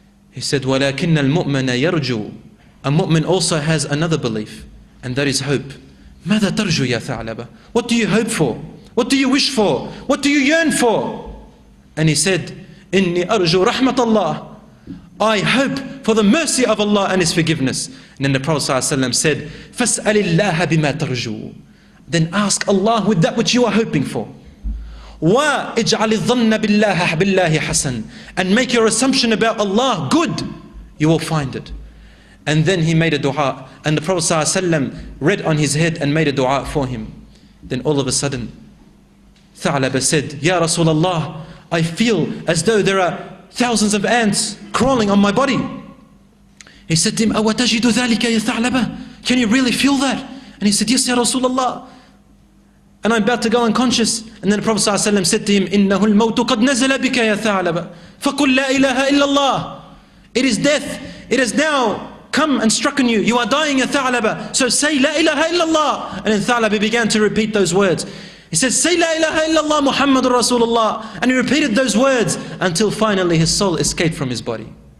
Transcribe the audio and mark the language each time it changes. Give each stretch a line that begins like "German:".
English: He said,
Arabic: وَلَكِنَّ الْمُؤْمَنَ يَرْجُوُ.
English: A mu'min also has another belief, and that is hope.
Arabic: مَذَا تَرْجُوا يَا ثَعْلَبَ.
English: What do you hope for? What do you wish for? What do you yearn for? And he said,
Arabic: إِنِّي أَرْجُوا رَحْمَةَ اللَّهِ.
English: I hope for the mercy of Allah and His forgiveness. And then the Prophet ﷺ said,
Arabic: فَاسْأَلِ اللَّهَ بِمَا تَرْجُوُ.
English: Then ask Allah with that which you are hoping for.
Arabic: وَاِجْعَلِ الظَّنَّ بِاللَّهِ حَسَنٍ.
English: And make your assumption about Allah good. You will find it. And then he made a dua. And the Prophet ﷺ read on his head and made a dua for him. Then all of a sudden, Tha'laba said, Ya Rasulullah, I feel as though there are thousands of ants crawling on my body. He said to him,
Arabic: أَوَتَجِدُ ذَلِكَ يَا ثَعْلَبَ.
English: Can you really feel that? And he said, Yes, Ya Rasulullah. And I'm about to go unconscious. And then the Prophet ﷺ said to him,
Arabic: إِنَّهُ الْمَوْتُ قَدْ نَزَلَ بِكَ يَا ثَعْلَبَ. فَقُلْ لَا إِلَهَ إِلَّا اللَّهِ.
English: It is death. It has now come and stricken you. You are dying, Ya Tha'laba. So say, La ilaha illallah. And then Tha'laba began to repeat those words. He said, Say, La ilaha illallah, Muhammadur Rasulullah. And he repeated those words until finally his soul escaped from his body.